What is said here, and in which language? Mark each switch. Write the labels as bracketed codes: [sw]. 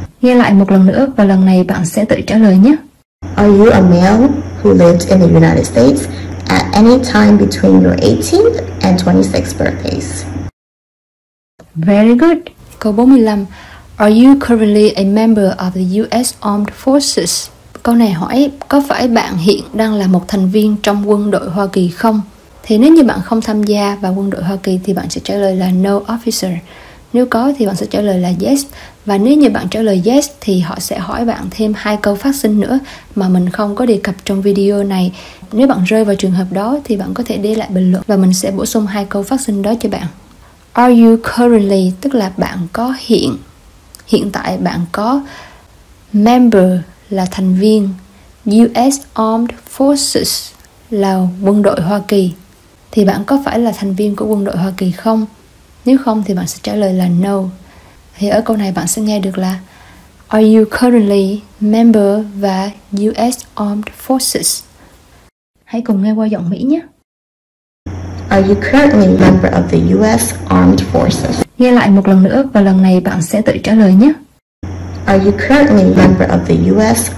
[vi] Nghe lại một lần nữa và lần này bạn sẽ tự trả lời nhé. [en] Are you a male who lived in the United States at any time between your 18th and 26th birthdays? Very good. [vi] Câu 45. [en] Are you currently a member of the US Armed Forces? [vi] Câu này hỏi có phải bạn hiện đang là một thành viên trong quân đội Hoa Kỳ không? Thì nếu như bạn không tham gia vào quân đội Hoa Kỳ thì bạn sẽ trả lời là [en] no officer. [vi] Nếu có thì bạn sẽ trả lời là yes. Và nếu như bạn trả lời yes thì họ sẽ hỏi bạn thêm hai câu phát sinh nữa mà mình không có đề cập trong video này. Nếu bạn rơi vào trường hợp đó thì bạn có thể để lại bình luận và mình sẽ bổ sung hai câu phát sinh đó cho bạn. [en] Are you currently, [vi] tức là bạn có hiện, hiện tại bạn có member là thành viên, US Armed Forces là quân đội Hoa Kỳ. Thì bạn có phải là thành viên của quân đội Hoa Kỳ không? Nếu không thì bạn sẽ trả lời là no. Thì ở câu này bạn sẽ nghe được là [en] Are you currently member [vi] và US Armed Forces? Hãy cùng nghe qua giọng Mỹ nhé. [en] Are you currently a member of the U.S. Armed Forces? [vi] Nghe lại một lần nữa và lần này bạn sẽ tự trả lời nhé. [en] Are you currently a member of the U.S.